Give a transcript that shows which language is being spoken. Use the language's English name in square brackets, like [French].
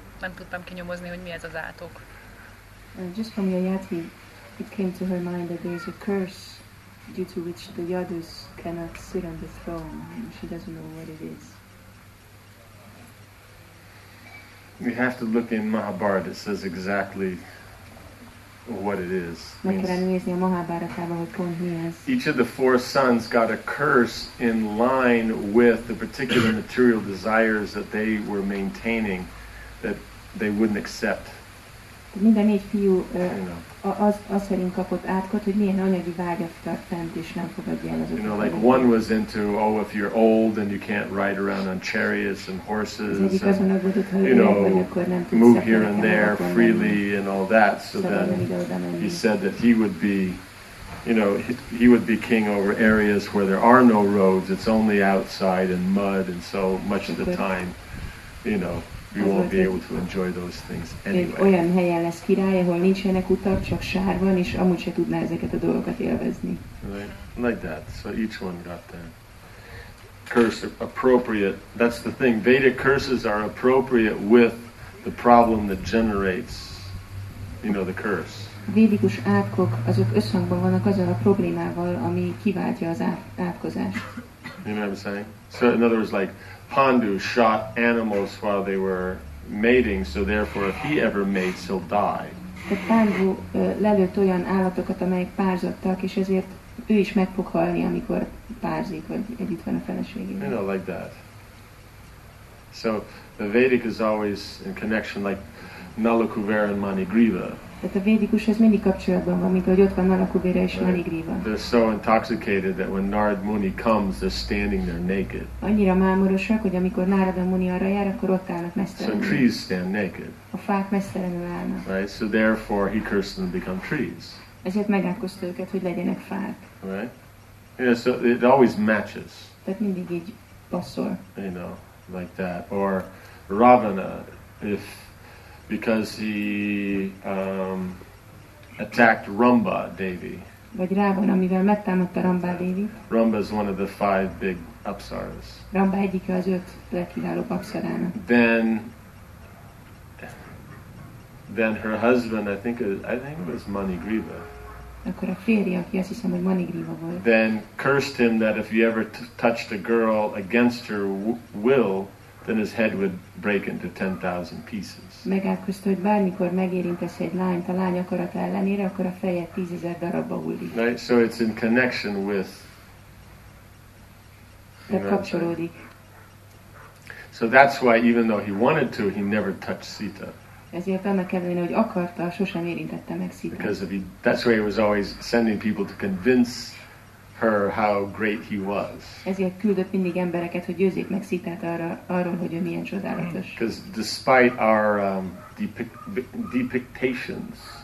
[Hungarian] Nem tudtam kinyomozni, hogy mi ez az átok. [English] Just from Yayati, it came to her mind that there is a curse due to which the Yadus cannot sit on the throne, and she doesn't know what it is. We have to look in Mahabharata, it says exactly what it is. [Hungarian] Meg kellene nézni a Mahabharatában, hogy pont mi ez. [English] Each of the four sons got a curse in line with the particular material desires that they were maintaining. That they wouldn't accept. [Hungarian] Minden négy fiú az szerint kapott átkot, hogy milyen anyagi vágyat tart fent, és nem fogadja el azokat. [English] You know, like one was into, oh, if you're old and you can't ride around on chariots and horses, and, you know, move here and there freely and all that. So then he said that he would be, you know, he would be king over areas where there are no roads. It's only outside and mud, and so much of the time, you know. You won't be able to enjoy those things anyway. [Hungarian] Olyan helyen lesz király, ahol nincsenek utak, csak sár van, és amúgy se tudná ezeket a dolgokat élvezni. [English] Right. Like that. So each one got the curse appropriate. That's the thing. Vedic curses are appropriate with the problem that generates, you know, the curse. [Hungarian] Védikus átkok, azok összhangban vannak azzal a problémával, ami kiváltja az átkozást. [English] You know what I'm saying? So in other words, like, Pandu shot animals while they were mating, so therefore if he ever mates, he'll die. [Hungarian] Pandu lelőtt olyan állatokat, amelyek párzottak, és ezért ő is meg fog halni, amikor párzik, vagy együtt van a feleségével. [English] You know, like that. So the Vedic is always in connection, like Nalakuvera and Manigriva. [Hungarian] Tehát a védikus ez mindig kapcsolatban van, mint ahogy ott van Nalakuvera és Manigriva. [English] They're so intoxicated that when Narad Muni comes, they're standing there naked. [Hungarian] Annyira mámorosak, hogy amikor Narada Muni arra jár, akkor ott állnak mesztelenül. [English] So trees stand naked. [Hungarian] A fák mesztelenül állnak. [English] Right, so therefore he cursed them to become trees. [Hungarian] Ezért megátkozta őket, hogy legyenek fák. [English] Right. Yeah, so it always matches. [Hungarian] Tehát mindig így passzol. [English] You know, like that. Or Ravana, if because he attacked Rumba Devi. [Hungarian] Vagy Ravana, mivel megtámadta Rumba Devi. [English] Rumba is one of the five big apsaras. [Hungarian] Rumba egyike az öt legkiváló apsarának. [English] Then her husband, I think it was Manigriva. [Hungarian] Akkor a férje, aki azt hiszem, hogy Manigriva volt. [English] Then cursed him that if he ever touched a girl against her will, then his head would break into 10,000 pieces. [Hungarian] Megállkozta, hogy bármikor megérintesz egy lányt a lány akarata ellenére, akkor a feje 10,000 darabba hullik. [English] Right, so it's in connection with. [Hungarian] De kapcsolódik. [English] So that's why, even though he wanted to, he never touched Sita. [Hungarian] Ezért annak ellenére, hogy akarta, sosem érintette meg Sita. [English] Because he, that's why he was always sending people to convince her how great he was. [Hungarian] Ezért küldött mindig embereket, hogy győzzék meg Sitát arról, hogy ő milyen csodálatos. [English] Because despite our depictations,